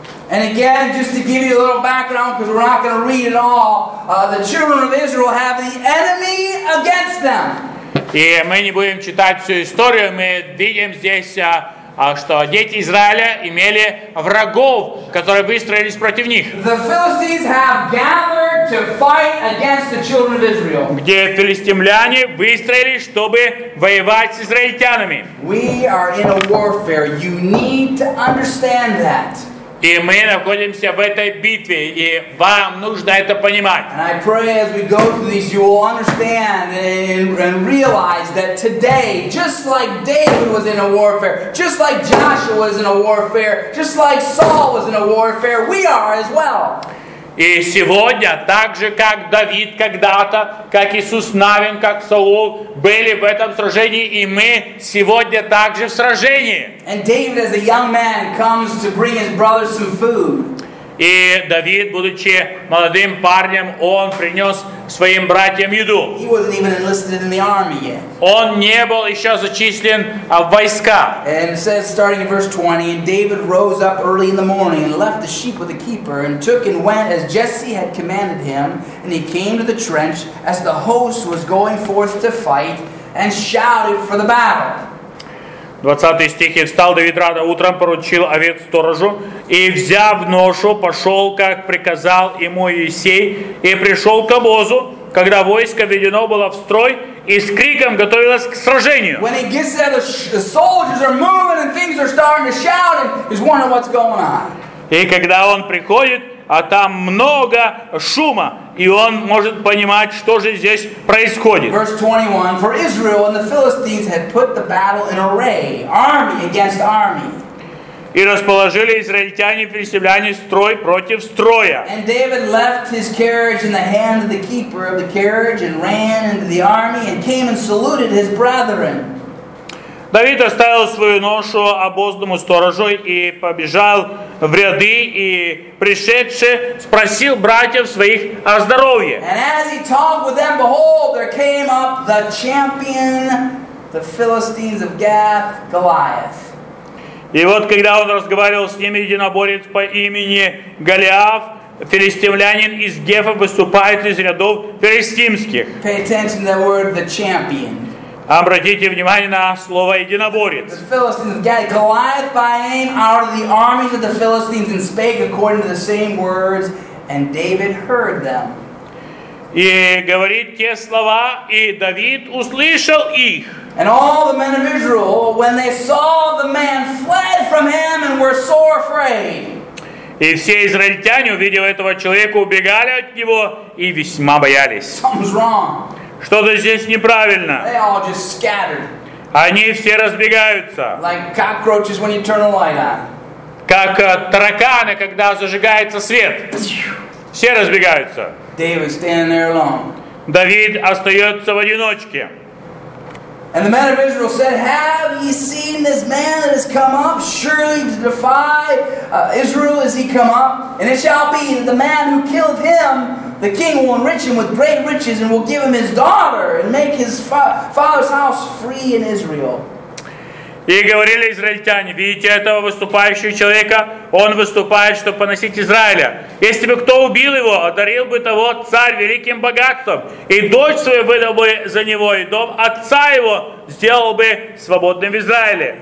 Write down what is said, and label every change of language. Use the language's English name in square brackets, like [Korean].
[English] And again, just to give you a little background, because we're not going to read it all, the children of Israel have the enemy against them. [Russian] И мы не будем читать всю историю, мы видим здесь, что дети Израиля имели врагов, которые выстроились против них. [English] The Philistines have gathered to fight against the children of Israel. [Russian] Где филистимляне выстроились, чтобы воевать с израильтянами. [English] We are in a warfare. You need to understand that. [Russian] И мы находимся в этой битве, и вам нужно это понимать. [English] And I pray as we go through these, you will understand and realize that today, just like David was in a warfare, just like Joshua was in a warfare, just like Saul was in a warfare, we are as well. [Russian] И сегодня, так же как Давид когда-то, как Иисус Навин, как Саул, были в этом сражении, и мы сегодня также в сражении. [English] And David, as a young man, comes to bring his brothers some food. [Russian] И Давид, будучи молодым парнем, он принес своим братьям еду. [English] He wasn't even enlisted in the army yet. [Russian] Он не был еще зачислен в войска. [English] And it says, starting in verse 20, and David rose up early in the morning and left the sheep with the keeper and took and went as Jesse had commanded him, and he came to the trench as the host was going forth to fight and shouted for the battle. [Russian] 20 стих. «И встал Давид рано утром, поручил овец сторожу, и, взяв ношу, пошел, как приказал ему Иессей, и пришел к обозу, когда войско введено было в строй, и с криком готовилось к сражению». [English] When he gets there, the soldiers are moving, and things are starting to shout, and he's wondering what's going on. [Russian] И когда он приходит, а там много шума, и он может понимать, что же здесь происходит. [English] Verse 21, for Israel and the Philistines had put the battle in array, army against army. [Russian] И расположили израильтяне и филистимляне строй против строя. [English] And David left his carriage in the hand of the keeper of the carriage and ran into the army and came and saluted his brethren. [Russian] Давид оставил свою ношу обозному сторожу и побежал в ряды, и пришедший спросил братьев своих о здоровье. [English] And as he talked with them, behold, there came up the champion, the Philistines of Gath, Goliath. [Russian] И вот когда он разговаривал с ними, единоборец по имени Голиаф, филистимлянин из Гефа, выступает из рядов филистимских. [English] Pay attention to that word, the champion. [Russian] Обратите внимание на слово «единоборец». [English] The Philistines got Goliath by name out of the armies of the Philistines and spake according to the same words, and David heard them. [Russian] И говорит те слова, и Давид услышал их. [English] And all the men of Israel, when they saw the man, fled from him and were sore afraid. [Russian] И все израильтяне, увидев этого человека, убегали от него и весьма боялись. [English] Something's wrong. [Russian] Что-то здесь неправильно. [English] They all just scattered. [Russian] Они все разбегаются. [English] Like cockroaches when you turn a light on. [Russian] Как тараканы, когда зажигается свет. Все разбегаются. [English] David standing there alone. [Russian] Давид остается в одиночке. [English] And the men of Israel said, "Have ye seen this man that has come up? Surely to defy Israel is he come up? And it shall be that the man who killed him, the king will enrich him with great riches, and will give him his daughter, and make his father's house free in Israel." [Russian] И говорили израильтяне, видите этого выступающего человека, он выступает, чтобы поносить Израиля. Если бы кто убил его, одарил бы того царь великим богатством, и дочь свою выдал бы за него, и дом отца его сделал бы свободным в Израиле.